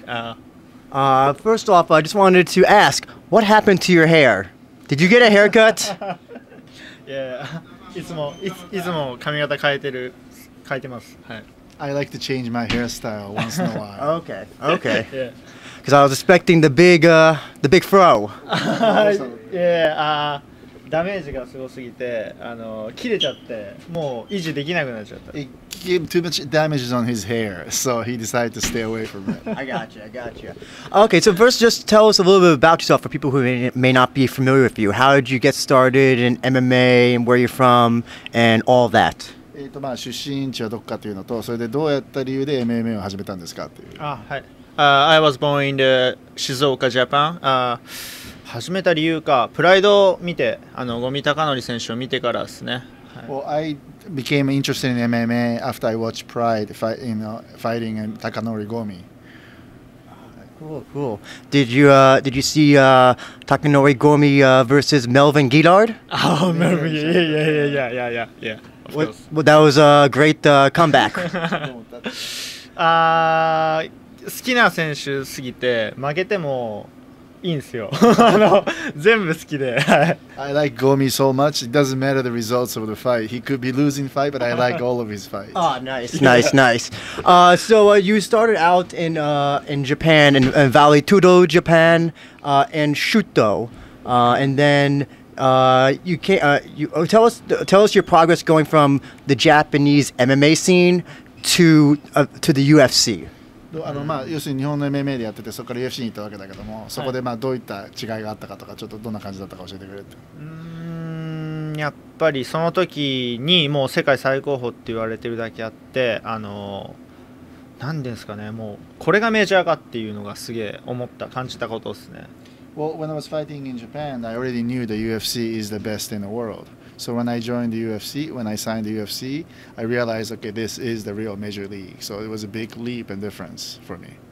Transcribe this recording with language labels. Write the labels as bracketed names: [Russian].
[English] First off, I just wanted to ask, what happened to your hair? Did you get a haircut? [Japanese] Yeah, いつも髪型変えてます。 [English] I like to change my hairstyle once in a while. Okay, okay. Because yeah. I was expecting the big fro. [Japanese] Yeah, ダメージがすごすぎて、切れちゃって、もう維持できなくなっちゃった。 [English] It gave too much damage on his hair, so he decided to stay away from it. I got you. Okay, so first just tell us a little bit about yourself for people who may not be familiar with you. How did you get started in MMA and where you're from and all that? [Japanese] 出身地はどこかというのと、それでどうやった理由で MMA を始めたんですかっていう。 [English] I was born in the 静岡 Japan. [Japanese] 始めた理由か、プライドを見て、五味隆典選手を見てからですね。 [English] Well, I became interested in MMA after I watched Pride fighting Takanori Gomi. Cool. Did you see Takanori Gomi versus Melvin Guillard? Oh, Melvin. Yeah. Well, that was a great comeback. [Japanese] 好きな選手すぎて負けてもいいんすよ。全部好きで。 [English] I like Gomi so much. It doesn't matter the results of the fight. He could be losing fight, but I like all of his fights. Oh, nice. So you started out in Japan, in Valley Tudo, Japan, and Shuto, and then. Tell us your progress going from the Japanese MMA scene to the UFC. [Japanese] まあ要するに日本の MMA でやっててそこから UFC に行ったわけだけども、そこでまあどういった違いがあったかとかちょっとどんな感じだったか教えてくれって。やっぱりその時にもう世界最高峰って言われてるだけあって、なんですかね、もうこれがメジャーかっていうのがすげえ思った感じたことですね。 [English] Well, when I was fighting in Japan, I already knew the UFC is the best in the world. So when I joined the UFC, when I signed the UFC, I realized, okay, this is the real major league. So it was a big leap and difference for me.